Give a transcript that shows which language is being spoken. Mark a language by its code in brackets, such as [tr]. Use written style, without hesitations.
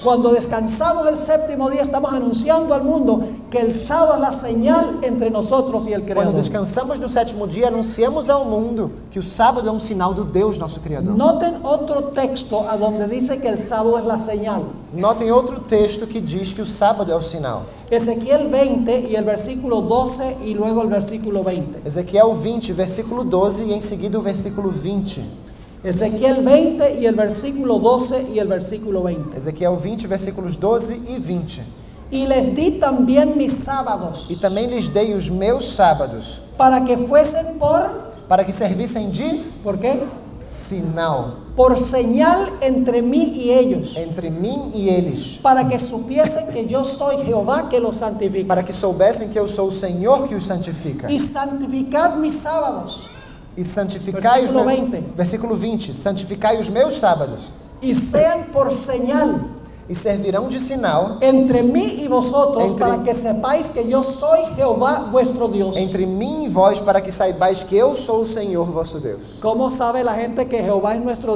[pt] Quando descansamos no sétimo dia, estamos anunciando ao mundo que o sábado é a señal entre nós e o Criador. Quando descansamos no sétimo dia, anunciamos ao mundo que o sábado é um sinal do Deus, nosso Criador. Notem outro texto aonde diz que o sábado é a señal. Notem outro texto que diz que o sábado é o sinal. [es] Ezequiel 20 y el versículo 12 y luego el versículo 20. Ezequiel 20, versículo 12 y en seguida el versículo 20. Ezequiel 20 y el versículo 12 y el versículo 20. Ezequiel 20, versículos 12 y 20. Y les di también mis sábados. [pt] E também lhes dei os meus sábados. [es] Para que fuesen por. [pt] Para que servissem de. [es] Por qué? [pt] Sinal. [es] Por señal entre mí y ellos. Entre mí y ellos. Para que supiesen que yo soy Jehová que los santifica. [pt] Para que soubessem que eu sou o Senhor que os santifica. [es] Y santificad mis sábados. [pt] E santificai versículo 20. Versículo 20. Santificai os meus sábados. [es] Y sean por señal. [pt] E servirão de sinal entre mim e [es] vosotros [pt] entre, para que [es] sepais [pt] que eu sou Jeová [es] vuestro [pt] Deus. Entre mim e vós para que saibais que eu sou o Senhor vosso Deus. Como sabe a gente que Jeová é nosso